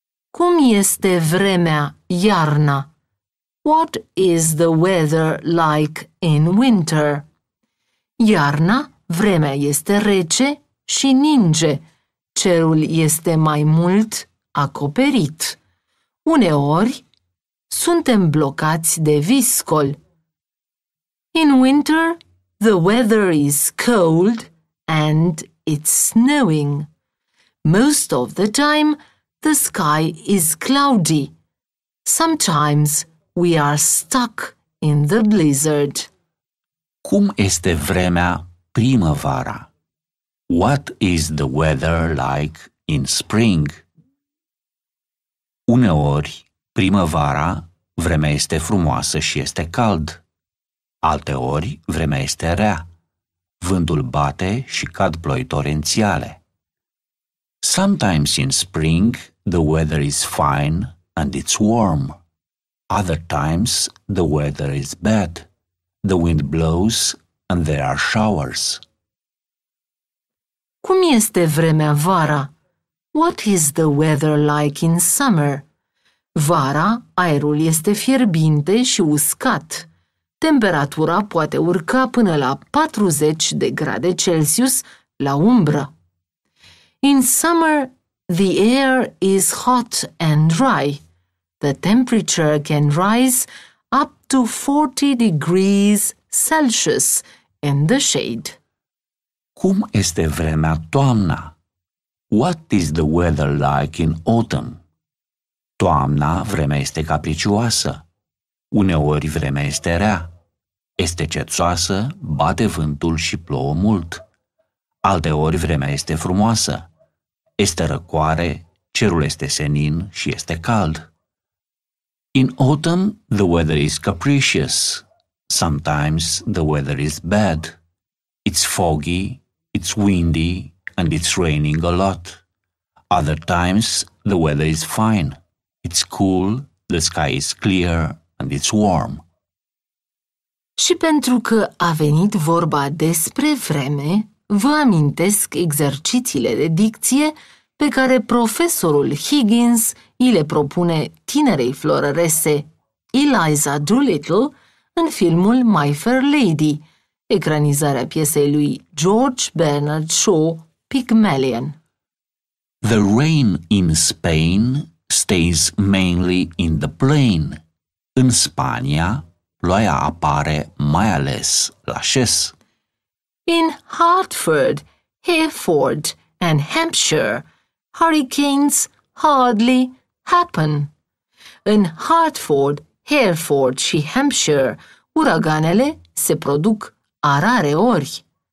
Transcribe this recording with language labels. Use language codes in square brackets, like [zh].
[ro] Cum este vremea iarna? [en] What is the weather like in winter? [ro] Iarna, vremea este rece și ninge. Cerul este mai mult acoperit. Uneori, suntem blocați de viscol. [en] In winter, the weather is cold and it's snowing. Most of the time, the sky is cloudy. Sometimes we are stuck in the blizzard. [ro] Cum este vremea primăvara? [en] What is the weather like in spring? [ro] Uneori, primăvara, vremea este frumoasă și este cald. Alteori, vremea este rea. Vântul bate și cad ploi torențiale. [en] Sometimes in spring, the weather is fine and it's warm. Other times, the weather is bad. The wind blows and there are showers. [ro] Cum este vremea vara? [en] What is the weather like in summer? [ro] Vara, aerul este fierbinte și uscat. Temperatura poate urca până la 40 de grade Celsius la umbră. [en] In summer, the air is hot and dry. The temperature can rise up to 40 degrees Celsius in the shade. [ro] Cum este vremea toamna? [en] What is the weather like in autumn? [ro] Toamna, vremea este capricioasă. Uneori vremea este rea. Este cețoasă, bate vântul și plouă mult. Alteori vremea este frumoasă. Este răcoare, cerul este senin și este cald. [en] In autumn, the weather is capricious. Sometimes the weather is bad. It's foggy, it's windy, and it's raining a lot. Other times, the weather is fine. It's cool, the sky is clear, and it's warm. [ro] Și pentru că a venit vorba despre vreme, vă amintesc exercițiile de dicție pe care profesorul Higgins îi le propune tinerei florărese Eliza Doolittle în filmul My Fair Lady, ecranizarea piesei lui George Bernard Shaw, Pygmalion. [en] The rain in Spain stays mainly in the plain. [ro] În Spania, ploaia apare mai ales la șes. [en] In Hartford, Hereford and Hampshire, hurricanes hardly happen. [ro] În Hartford, Hereford și Hampshire, uraganele se produc arareori.